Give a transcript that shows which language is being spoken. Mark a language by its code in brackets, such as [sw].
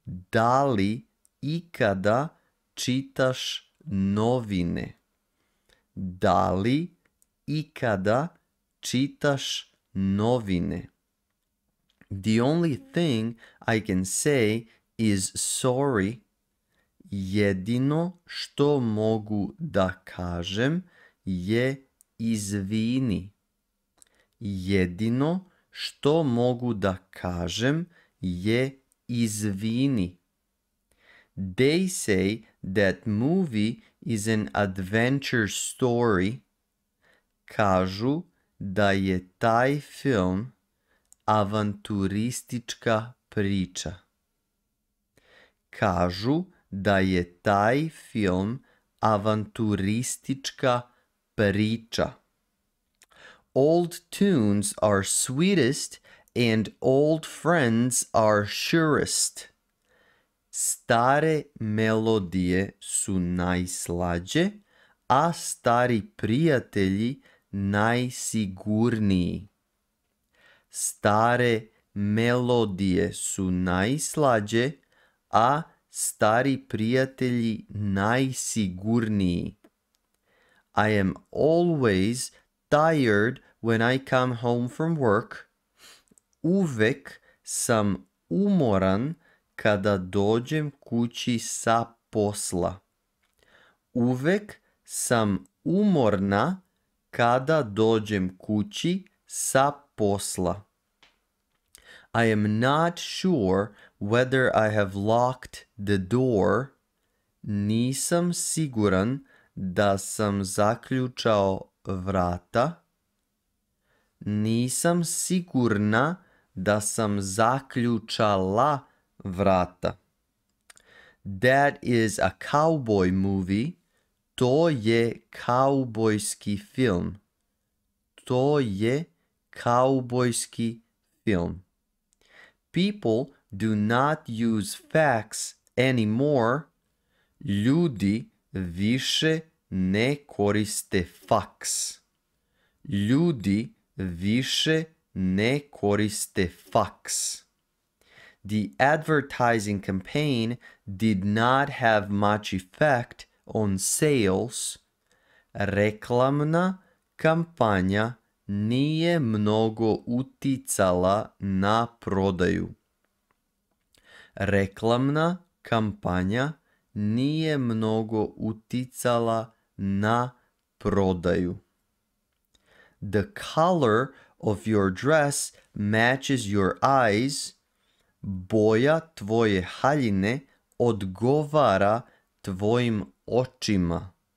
[sr] Da li ikada čitaš novine? Da li ikada čitaš novine? [en] The only thing I can say is sorry. [sr] Jedino što mogu da kažem je izvini. Jedino što mogu da kažem je izvini. [en] They say that movie is an adventure story. [sr] Kažu da je taj film avanturistička priča. Kažu da je taj film avanturistička priča. [en] Old tunes are sweetest and old friends are surest. [sr] Stare melodije su najslađe, a stari prijatelji najsigurniji. Stare melodije su najslađe, a stari prijatelji najsigurniji. [en] I am always tired when I come home from work. [sr] Uvek sam umoran kada dođem kući sa posla. Uvek sam umorna kada dođem kući sa posla. [en] I am not sure whether I have locked the door. [sr] Nisam siguran da sam zaključao vrata. Nisam sigurna da sam zaključala vrata. [en] That is a cowboy movie. [sr] To je kaubojski film. To je kaubojski film. [en] People do not use facts anymore. [sr] Ljudi više ne koriste fax. Ljudi više ne koriste fax. [en] The advertising campaign did not have much effect on sales. [sr] Reklamna kampanja nije mnogo uticala na prodaju. Reklamna kampanja nije mnogo uticala na prodaju. [en] The color of your dress matches your eyes. [sr] Boja tvoje haljine odgovara tvojim očima.